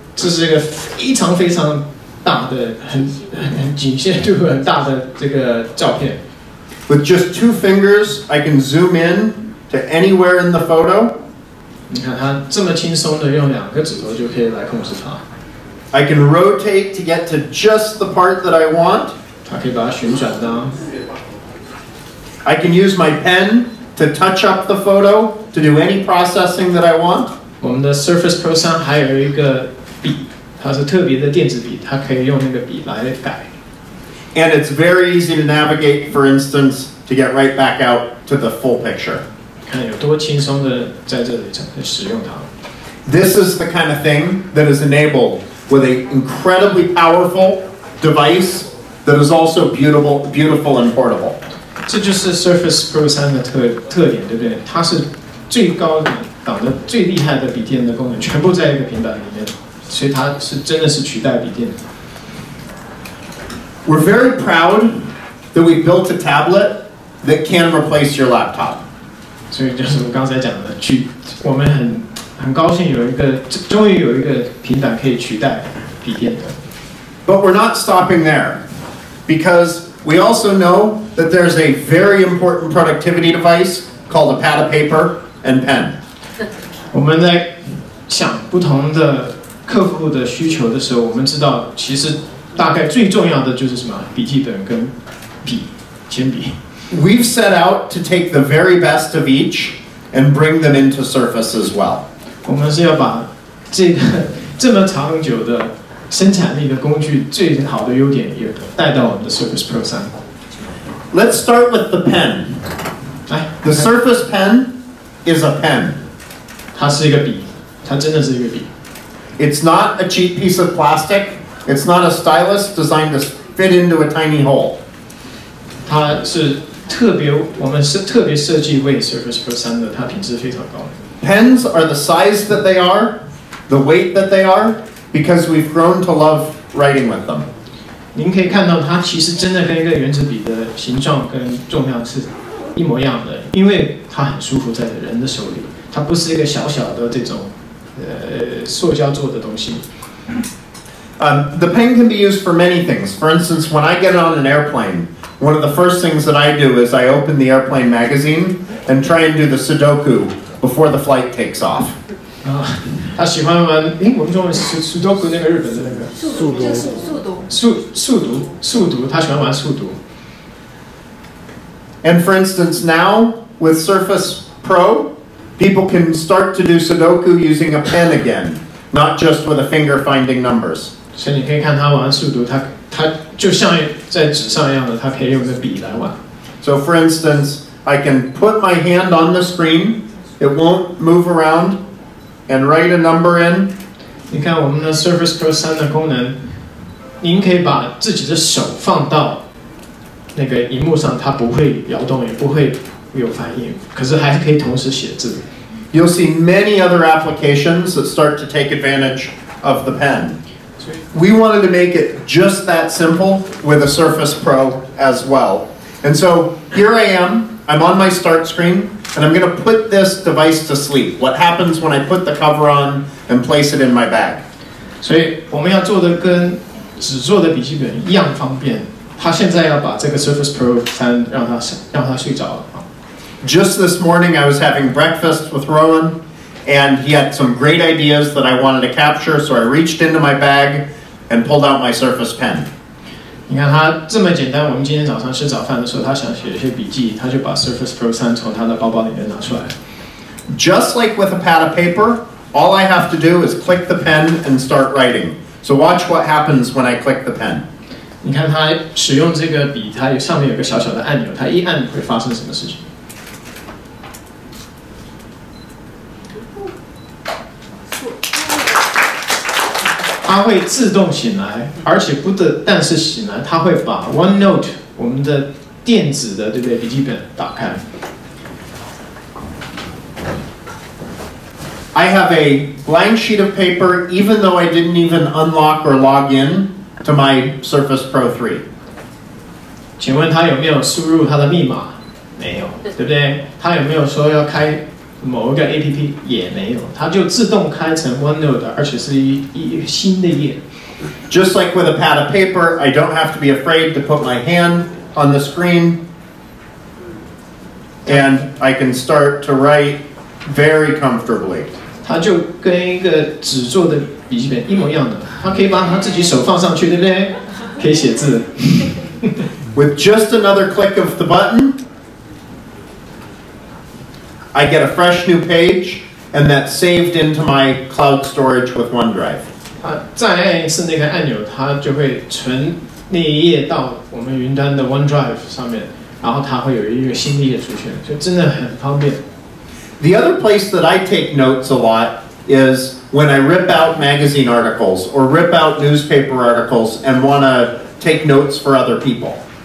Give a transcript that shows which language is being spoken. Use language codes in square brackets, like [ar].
[zh] 这是一个非常非常大的 很极限度很大的这个照片。 [en] With just two fingers, I can zoom in to anywhere in the photo. [zh] 你看它这么轻松的用两个指头就可以来控制它。 [en] I can rotate to get to just the part that I want. [zh] 它可以把它旋转到。 [en] I can use my pen. To touch up the photo, to do any processing that I want. [zh] 我们的 Surface Pro 3还有一个笔，它是特别的电子笔，它可以用那个笔来改。 [en] And it's very easy to navigate, for instance, to get right back out to the full picture. [zh] 看有多轻松的在这里使用它。 [en] This is the kind of thing that is enabled with an incredibly powerful device that is also beautiful and portable. [zh] 这就是 Surface Pro 3的 特点，对不对？它是最高档的、最厉害的笔电的功能，全部在一个平板里面，所以它是真的是取代笔电的。 [en] We're very proud that we built a tablet that can replace your laptop. [zh] 所以就是我刚才讲的，我们很高兴有一个，终于有一个平板可以取代笔电的。 [en] But we're not stopping there, because we also know. That there's a very important productivity device called a pad of paper and pen. [zh] 我们在想不同的客户的需求的时候，我们知道其实大概最重要的就是什么？笔记本跟笔，铅笔。 [en] We've set out to take the very best of each and bring them into Surface as well. [zh] 我们是要把这个这么长久的生产力的工具最好的优点也带到我们的 Surface Pro 3。 [en] Let's start with the pen. The Surface Pen is a pen. [zh] 它是一个笔，它真的是一个笔。 [en] It's not a cheap piece of plastic. It's not a stylus designed to fit into a tiny hole. [zh] 它是特别，我们是特别设计为 Surface Pro 3的，它品质非常高。 [en] Pens are the size that they are, the weight that they are, because we've grown to love writing with them. [zh] 您可以看到它其实真的跟一个原子笔的形状跟重量是一模一样的，因为它很舒服在人的手里，它不是一个小小的这种塑胶做的东西。 [en] The pen can be used for many things. For instance, when I get on an airplane, one of the first things that I do is I open the airplane magazine and try and do the Sudoku before the flight takes off. [zh] 他喜欢玩，诶，我们中文是 Sudoku 那个日本的那个。速读，他喜欢玩速读。 [en] And for instance, now with Surface Pro, people can start to do Sudoku using a pen again, not just with a finger finding numbers. [zh] 所以你可以看他玩速读，他就像在纸上一样的，他可以用个笔来玩。 [en] So for instance, I can put my hand on the screen, it won't move around, and write a number in. [zh] 你看我们的 Surface Pro 3的功能。您可以把自己的手放到那个荧幕上，它不会摇动，也不会有反应，可是还是可以同时写字。 [en] You'll see many other applications that start to take advantage of the pen. We wanted to make it just that simple with a Surface Pro as well. And so here I am. I'm on my start screen, and I'm going to put this device to sleep. What happens when I put the cover on and place it in my bag? [zh] 所以我们要做的跟纸做的笔记本一样方便。他现在要把这个 Surface Pro 3让他睡着了。 [en] Just this morning, I was having breakfast with Rowan, and he had some great ideas that I wanted to capture, so I reached into my bag and pulled out my Surface Pen. [zh] 你看他这么简单，我们今天早上吃早饭的时候，他想写一些笔记，他就把 Surface Pro 3从他的包包里面拿出来。 [en] Just like with a pad of paper, all I have to do is click the pen and start writing. So watch what happens when I click the pen. [zh] 你看他使用这个笔，它上面有个小小的按钮，他一按会发生什么事情？它会自动醒来，而且不得但是醒来，它会把 OneNote 我们的电子的对不对笔记本打开。 [en] I have a blank sheet of paper, even though I didn't even unlock or log in to my Surface Pro 3. [zh] 请问他有没有输入他的密码？没有，对不对？他有没有说要开？某一个 APP 也没有，它就自动开成 OneNote， 而且是 一新的页。 [en] Just like with a pad of paper, I don't have to be afraid to put my hand on the screen, and I can start to write very comfortably. [zh] 它就跟一个纸做的笔记本一模一样的，它可以把它自己手放上去，对不对？可以写字。 [en] With just another click of the button. I get a fresh new page, and that's saved into my cloud storage with OneDrive. [zh] 再按一次那个按钮，它就会存那一页到我们云端的 OneDrive 上面，然后它会有一个新的页出现，就真的很方便。 [en] The other place that I take notes a lot is when I rip out magazine articles or rip out newspaper articles and want to take notes for other people.